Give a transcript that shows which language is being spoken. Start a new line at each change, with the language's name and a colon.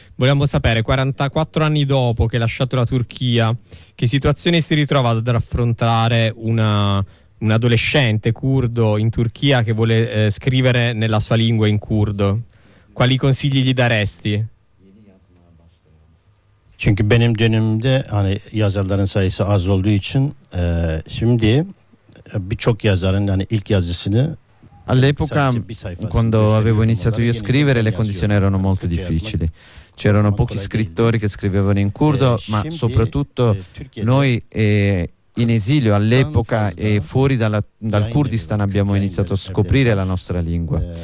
Italian: Volevamo sapere, 44 anni dopo che hai lasciato la Turchia, che situazione si ritrova ad affrontare un adolescente curdo in Turchia che vuole scrivere nella sua lingua in curdo? Quali consigli gli daresti?
Turkish: Çünkü benim dönemimde hani yazarların sayısı az olduğu için şimdi birçok yazarın hani ilk yazısını.
Italian: All'epoca, quando avevo iniziato io a scrivere, le condizioni erano molto difficili. C'erano pochi scrittori che scrivevano in curdo, ma soprattutto noi in esilio all'epoca e fuori dal Kurdistan abbiamo iniziato a scoprire la nostra lingua.